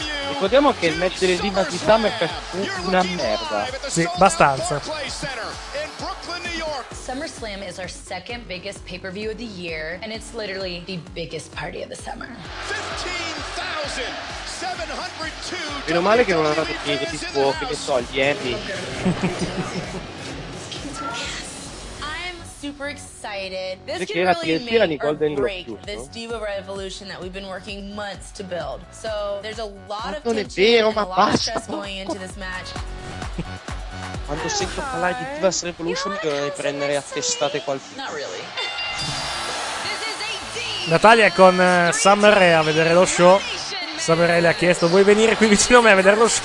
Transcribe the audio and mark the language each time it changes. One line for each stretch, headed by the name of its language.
Italian: Ricordiamo che il match delle Divas di SummerFest fu una merda. Sì, abbastanza.
English: SummerSlam is our second biggest pay-per-view of the year and it's literally the biggest party of the summer.
Italian: Meno male che non hanno dato pieghe di fuoco, che so, gli Emmy.
English: Super excited. This can really make or break this diva revolution that we've been working months to build. So there's a lot
Italian: non
English: of tension
Italian: vero,
English: and a lot of stress going into this match.
Italian: Quando sento parlare di Divas Revolution dovrei prendere a testate qualcuno.
English: Not really.
Italian: Natalia è con Summer Rae a vedere lo show. Summer Rae le ha chiesto: vuoi venire qui vicino a me a vedere lo show?